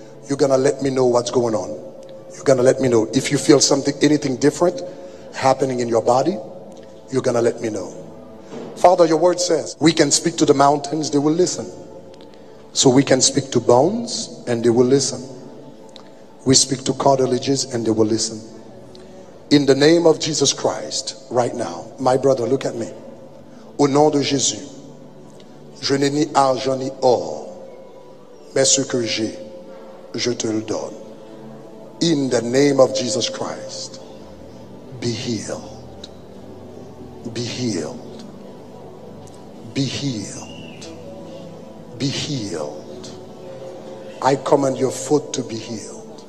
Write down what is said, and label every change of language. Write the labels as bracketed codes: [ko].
[en] You're going to let me know what's going on. You're going to let me know. If you feel something, anything different happening in your body, you're going to let me know. Father, your word says, we can speak to the mountains, they will listen. So we can speak to bones and they will listen. We speak to cartilages and they will listen. In the name of Jesus Christ, right now, my brother, look at me. [fr] Au nom de Jésus, je n'ai ni argent ni or, mais ce que j'ai, je te le donne. [en] In the name of Jesus Christ, be healed. Be healed. Be healed. Be healed. I command your foot to be healed.